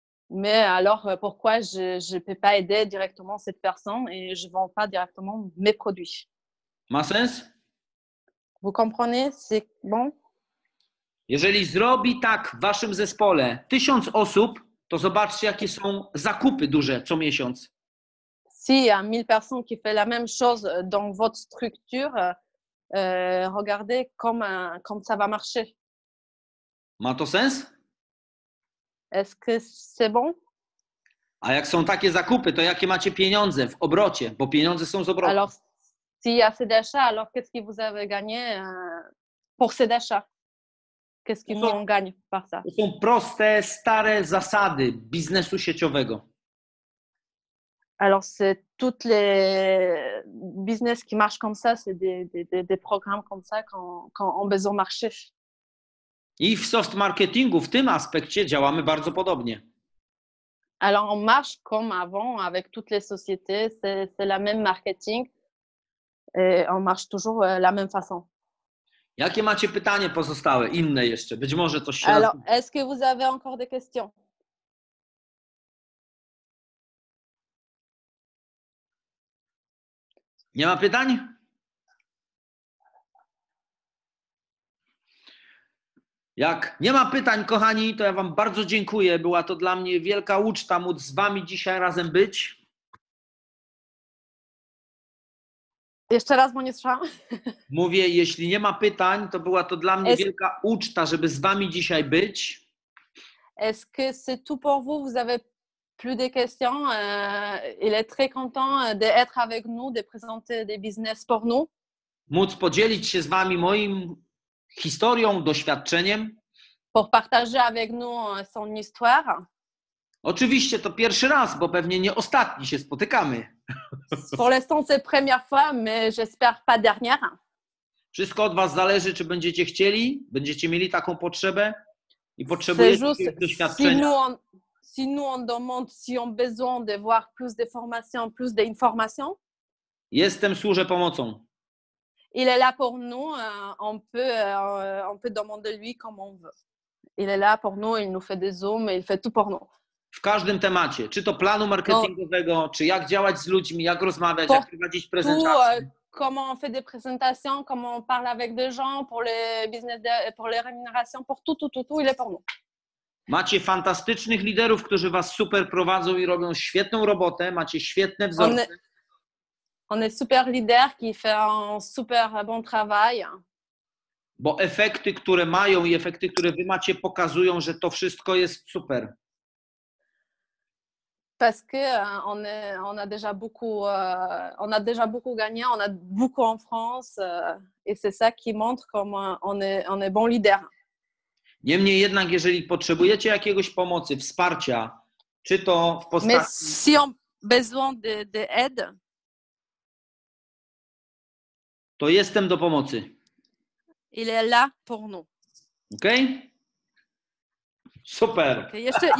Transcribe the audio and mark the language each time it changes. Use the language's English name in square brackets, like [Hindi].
[French] Mais alors pourquoi je peux pas aider directement cette personne et je vends pas directement mes produits? [Polish] Ma sens? [French] Vous comprenez? C'est bon? [Polish] Jeżeli zrobi tak w waszym zespole 1000 osób, to zobaczcie, jakie są zakupy duże co miesiąc. [French] Si y a 1000 personnes qui fait la même chose dans votre structure, regardez comment ça va marcher. [Polish] Ma to sens? [French] Est-ce que c'est bon? [Polish] A jak są takie zakupy, to jakie macie pieniądze w obrocie, bo pieniądze są z obrotu. [French] Alors, si y a ces achats, alors qu'est-ce que vous avez gagné pour ces achats? Qu'est-ce qu'ils ont gagné par ça? [Polish] To są proste, stare zasady biznesu sieciowego. [French] Alors, c'est toutes les business qui marchent comme ça, c'est des programmes comme ça quand on besoin marcher. [Polish] I w soft marketingu, w tym aspekcie działamy bardzo podobnie. [French] Alors, on marche comme avant avec toutes les sociétés, c'est la même marketing. Et on marche toujours la même façon. [Polish] Jakie macie pytanie pozostałe? Inne jeszcze. Być może coś się... [French] Alors, est-ce que vous avez encore des questions? [Polish] Nie ma pytań? Jak nie ma pytań, kochani, to ja wam bardzo dziękuję. Była to dla mnie wielka uczta móc z wami dzisiaj razem być. Jeszcze raz, bo nie słyszałam. Mówię, jeśli nie ma pytań, to była to dla mnie wielka uczta, żeby z wami dzisiaj być. [French] Est-ce que c'est tout pour vous? Vous avez plus de questions? Il est très content d'être avec nous, de présenter des business pour nous. [Polish] Móc podzielić się z wami moim historią, doświadczeniem. [French] Pour partager avec nous son histoire. [Polish] Oczywiście to pierwszy raz, bo pewnie nie ostatni się spotykamy. [French] Pour l'instant c'est première fois, mais j'espère pas dernière. [Polish] Wszystko od was zależy, czy będziecie chcieli, będziecie mieli taką potrzebę i potrzebujecie juste, doświadczenia. [French] Si nous on demande, si on besoin de voir plus de formation, plus d'information. [Polish] Jestem, służę pomocą. [French] Il est là pour nous, on peut demander lui comme on veut. Il est là pour nous, il nous fait des zooms, il fait tout pour nous. [Polish] W każdym temacie, czy to planu marketingowego, no, czy jak działać z ludźmi, jak rozmawiać, jak prowadzić prezentację. [French] Comment on fait des présentations, comment on parle avec des gens pour le business, pour les rémunérations, pour tout, il est pour nous. [Polish] Macie fantastycznych liderów, którzy was super prowadzą i robią świetną robotę, macie świetne wzorce. [French] On est super leader qui fait un super bon travail. [Polish] Bo efekty, które mają i efekty, które wy macie, pokazują, że to wszystko jest super. [French] Parce que on a déjà beaucoup gagné, on a beaucoup en France et c'est ça qui montre comme on est bon leader. [Polish] Niemniej jednak, jeżeli potrzebujecie jakiegoś pomocy, wsparcia, czy to w postaci... [French] Mais si on besoin de aide, [Polish] to jestem do pomocy. [French] Il est là pour nous. OK? Super. Okay.